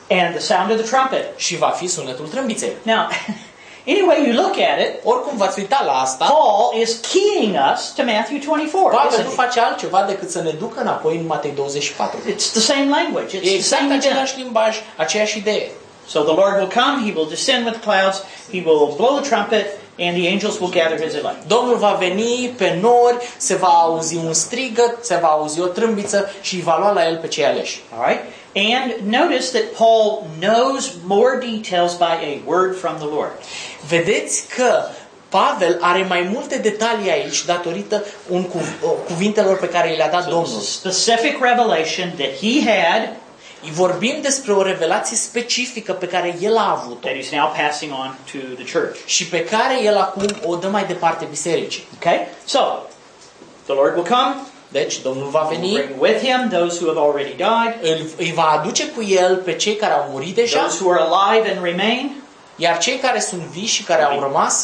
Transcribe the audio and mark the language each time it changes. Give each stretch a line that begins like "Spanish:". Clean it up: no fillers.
English: And the sound of the trumpet.
Romanian: Și va fi sunetul trâmbiței.
English: Now, anyway you look at it,
Romanian: oricum v-ați uita la asta,
English: Paul is keying us to Matthew 24.
Romanian: Pavel nu face altceva decât să ne ducă înapoi în Matei 24.
English: It's the same language. It's exact the same
Romanian: același limbaj, aceeași idee.
English: So the Lord will come, he will descend with clouds, he will blow the trumpet, and the angels will gather his elect.
Romanian: Domnul va veni pe nori, se va auzi un strigăt, se va auzi o trâmbiță și va lua la el pe cei aleși.
English: All right? And notice that Paul knows more details by a word from the Lord.
Romanian: Vedeți că Pavel are mai multe detalii aici datorită cuvintelor pe care le-a dat Domnul.
English: So specific revelation that he had.
Romanian: Vorbim despre o revelație specifică pe care el a avut-o.
English: That he's now passing on to the church.
Romanian: Și pe care el acum o dă mai departe bisericii.
English: Okay? So, the Lord will come.
Romanian: Deci, Domnul va veni.
English: He'll bring with him those who have already died.
Romanian: Îi va aduce cu el pe cei care au murit deja.
English: Those who are alive and remain.
Romanian: Iar cei care sunt vii și care au rămas.